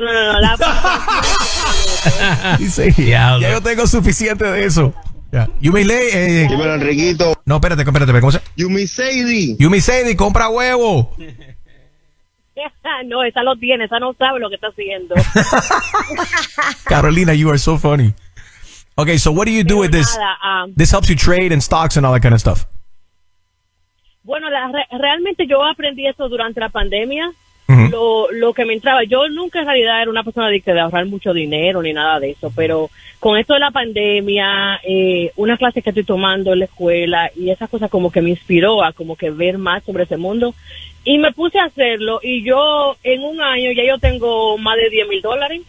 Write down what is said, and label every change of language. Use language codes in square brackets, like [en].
[es] No. Dice, ya yo tengo suficiente de eso. Yeah. Dímelo, Enriquito. No, espérate. ¿Cómo se llama? Yumi Sadie, compra huevo. No, esa lo tiene, esa no sabe lo que está haciendo. [en] Carolina, you are so funny. Okay, so what do you do with this? This helps you trade in stocks and all that kind of stuff. [es] Bueno, realmente yo aprendí eso durante la pandemia. Mm-hmm. Lo que me entraba, yo nunca en realidad era una persona adicta de ahorrar mucho dinero ni nada de eso, pero con esto de la pandemia, una clase que estoy tomando en la escuela y esas cosas como que me inspiró a como que ver más sobre ese mundo y me puse a hacerlo y yo en un año ya yo tengo más de $10,000.